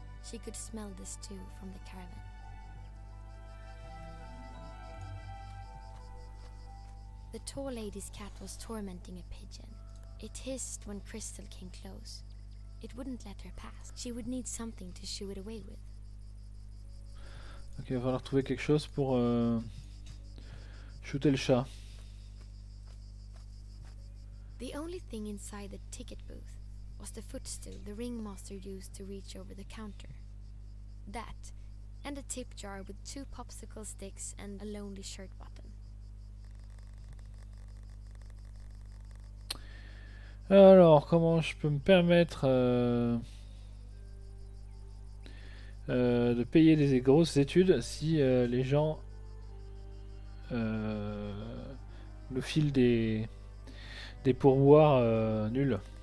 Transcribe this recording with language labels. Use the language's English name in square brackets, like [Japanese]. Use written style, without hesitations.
[English] She could smell the stew from the caravan. The tall lady's cat was tormenting a pigeon. It hissed when Crystal came close. It wouldn't let her pass. She would need something to shoo it away with. [French] Ok, il va falloir trouver quelque chose pour shooter le chat. [English] The only thing inside the ticket booth was the footstool the ringmaster used to reach over the counter. That, and a tip jar with two popsicle sticks and a lonely shirt button. [French] Alors, comment je peux me permettre de payer des grosses études si les gens nous filent des pourboires nuls?